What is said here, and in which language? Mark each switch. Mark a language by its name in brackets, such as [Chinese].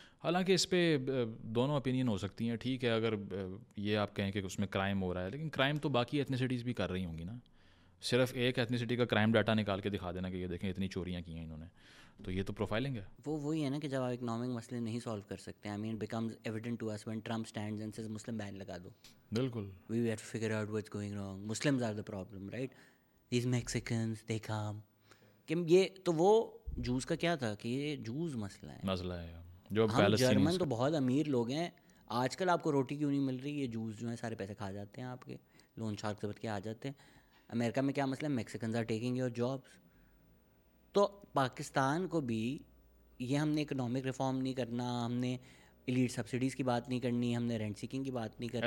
[Urdu] حالانکہ اس پہ دونوں اوپینین ہو سکتی ہیں. ٹھیک ہے اگر یہ آپ کہیں کہ اس میں کرائم ہو رہا ہے, لیکن کرائم تو باقی ایتھنیسٹیز بھی کر رہی ہوں گی نا. صرف ایک ایتھنیسٹی کا کرائم ڈاٹا نکال کے دکھا دینا کہ یہ دیکھیں اتنی چوریاں کی ہیں انہوں نے, تو یہ تو پروفائلنگ ہے. وہی ہے نا کہ جب آپ اکنامک مسئلے نہیں سالو کر سکتے, [English] I mean becomes evident to us when Trump stands and says [Urdu] مسلم بین لگا دو. بالکل, [English] We have to figure out what's going wrong. Muslims are the problem, right? These Mexicans they come. [Urdu] کہ یہ تو وہ جوز کا کیا تھا کہ یہ جوز مسئلہ ہے. جو جرمن تو بہت امیر لوگ ہیں, آج کل آپ کو روٹی کیوں نہیں مل رہی؟ یہ جوز جو ہیں سارے پیسے کھا جاتے ہیں آپ کے, لون شارک سے بچ کے آ جاتے ہیں. امریکہ میں کیا مسئلہ ہے؟ [English] Mexicans are taking your jobs. [Urdu] تو پاکستان کو بھی یہ, ہم نے اکنامک ریفارم نہیں کرنا, ہم نے ایلیٹ سبسڈیز کی بات نہیں کرنی, ہم نے رینٹ سیکنگ کی بات نہیں کرنی.